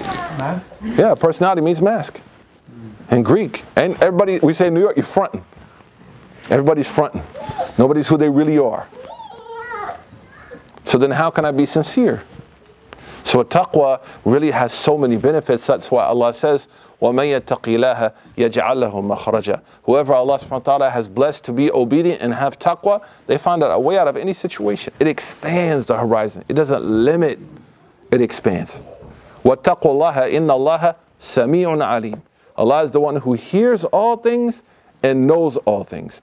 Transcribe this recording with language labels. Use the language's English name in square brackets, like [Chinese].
[English] Mask? Yeah, personality means mask. In Greek. And everybody, we say in New York, you're fronting. Everybody's fronting. Nobody's who they really are. So then how can I be sincere? So taqwa really has so many benefits. That's why Allah says, [Arabic] وَمَنْ يَتَّقِ اللَّهَ يَجْعَلْ لَهُ مَخْرَجًا. [English] Whoever Allah subhanahu wa ta'ala has blessed to be obedient and have taqwa, they find out a way out of any situation. It expands the horizon. It doesn't limit. It expands. [Arabic] وَاتَّقُوا اللَّهَ إِنَّ اللَّهَ سَمِيعٌ عَلِيمٌ. [English] Allah is the one who hears all things and knows all things.